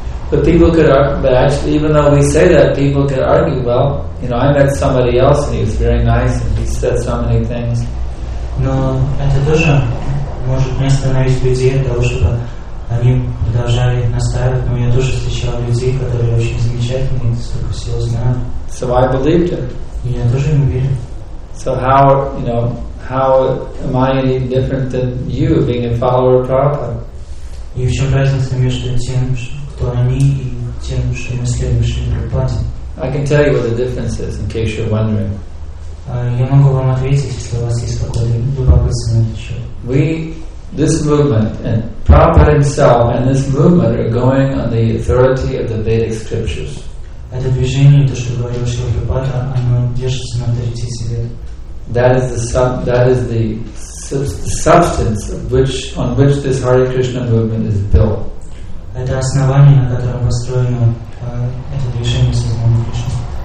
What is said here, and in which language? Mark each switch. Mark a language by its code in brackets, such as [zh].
[en] But people could argue, but actually, even though we say that, people could argue, well, you know, I met somebody else and he was very nice and he said so many things. [ru] Но это тоже может не остановить людей от того, чтобы они продолжали настаивать. Но я тоже встречал людей, которые очень замечательные, столько всего знают. [en] So I believed him. [ru] Я тоже ему верю. [en] So how, you know, how am I any different than you, being a follower of Prabhupada? [ru] И в чем разница между тем, кто они, и тем, что мы следующие Прабхупаде? [en] I can tell you what the difference is, in case you're wondering. [ru] Я могу вам ответить, если у вас есть какой-то любопытный еще. [en] We, this movement, and Prabhupada himself, and this movement are going on the authority of the Vedic scriptures. [ru] Это движение, то, что говорил Шрила Прабхупада, оно держится на авторитете Вед. [en] That is the substance of which, on which this Hare Krishna movement is built. [ru] Это основание, на котором построено это движение Шрила Прабхупады.